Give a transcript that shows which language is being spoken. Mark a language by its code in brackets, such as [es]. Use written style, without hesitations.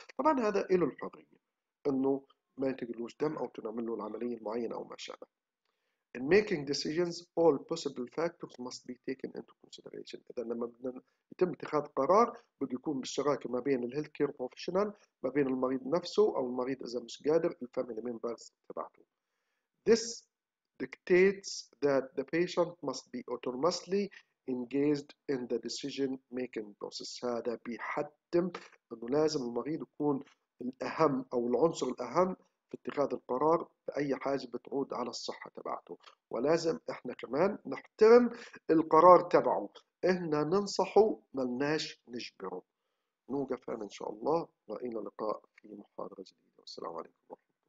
[ar] طبعا هذا له الحريه انه ما ينتقلوش دم او تعمل له العمليه المعينه او ما شابه. [en] In making decisions, all possible factors must be taken into consideration. [ar] إذا لما يتم اتخاذ قرار بده يكون بالشراكة ما بين الـ [en] healthcare professional، [ar] ما بين المريض نفسه أو المريض إذا مش قادر، الـ [en] family members [ar] تبعته. [en] This dictates that the patient must be autonomously engaged in the decision making process. [ar] هذا بيحتم أنه لازم المريض يكون الأهم أو العنصر الأهم في اتخاذ القرار بأي حاجة بتعود على الصحة تبعته، ولازم احنا كمان نحترم القرار تبعه، احنا ننصحه ملناش نجبره. نوقف هنا ان شاء الله، وإلى اللقاء في محاضرة جديدة، والسلام عليكم.